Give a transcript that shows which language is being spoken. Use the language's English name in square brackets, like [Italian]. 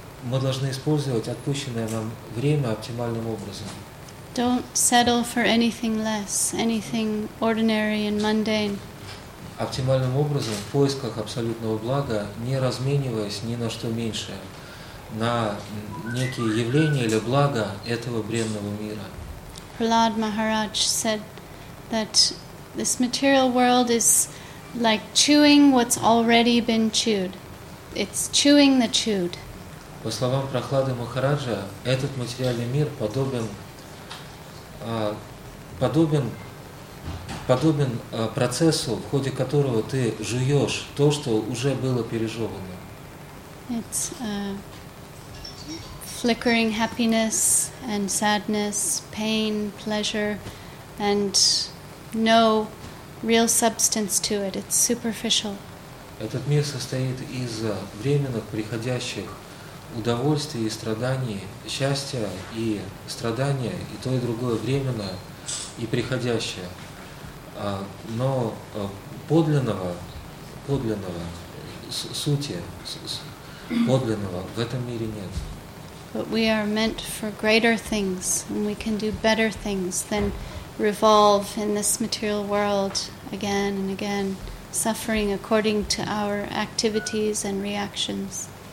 [Russian] Мы должны использовать отпущенное нам время оптимальным образом. [English] Don't settle for anything less, anything ordinary and mundane. [Russian] Оптимальным образом, в поисках абсолютного блага, не размениваясь ни на что меньшее, на некие явления или блага этого бренного мира. [English] Prahlad Maharaj said that this material world is like chewing what's already been chewed. It's chewing the chewed. [Russian] По словам Прохлады Махараджа, этот материальный мир подобен процессу, в ходе которого ты жуешь то, что уже было пережевано. [English] It's flickering happiness and sadness, pain, pleasure, and no real substance to it. It's superficial. [Russian] Этот мир состоит из временных приходящих удовольствия и страданий, счастья и страдания, и то, и другое временное и приходящее. Но подлинного в этом мире нет. [English] But we are meant for greater things, and we can do better things than revolve in this material world again and again, suffering according to our activities and reactions.